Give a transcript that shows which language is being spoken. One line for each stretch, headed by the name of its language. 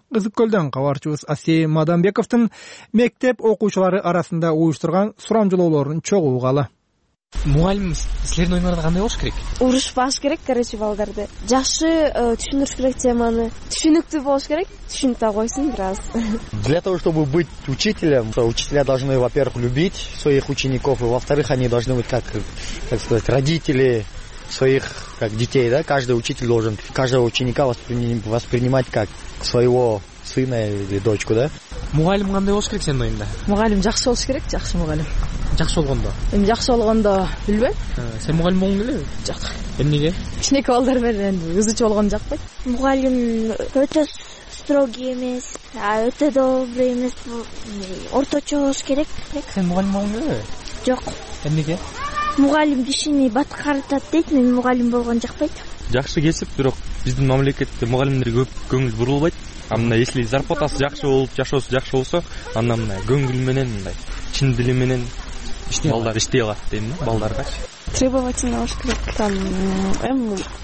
Kyrgyz: Кызык Көлдөн кабарчыбыз Асей Мадамбековдун мектеп окуучулары арасында уюштурган сурамжылоолорун чогуу каалы. Мугалим силердин оюңарда кандай болуш керек? Урушпаш керек, короче, балдарды. Жакшы түшүндүрүш керек теманы. Түшүнүктүү болуш керек, түшүнүп да койсун бир аз.
Russian: Для того, чтобы быть учителем, то учителя должны, во-первых, любить своих учеников, и во-вторых, они должны быть как сказать, родители своих как детей, да? Каждый учитель должен каждого ученика воспринимать как своего сына или дочку, да?
Kyrgyz: Мугалим кандай болуш керек сенин оюңда? Мугалим жакшы болуш керек, жакшы мугалим. Жакшы болгондо. Эми жакшы болгондо билбейм. Сен мугалим болгуң келеби? Жок. Эмнеге? Кичинекей балдар менен кызычы болгону жакпайт. Мугалим өтө строгий эмес, өтө добрый эмес, орточо болуш керек. Сен мугалим болгуң келеби? Жок. Эмнеге? Мугалим кишини баткартат дейт, мен мугалим болгон жакпайт. Жакшы кесип, бирок биздин мамлекетте мугалимдерге көп көңүл бурулбайт. А мына если зарплатасы жакшы болуп, жашоосу жакшы болсо, анда мына көңүл менен, мындай чын дили менен балдар иштей алат дейм да, балдаргачы. Требовательный болуш керек, там эмне?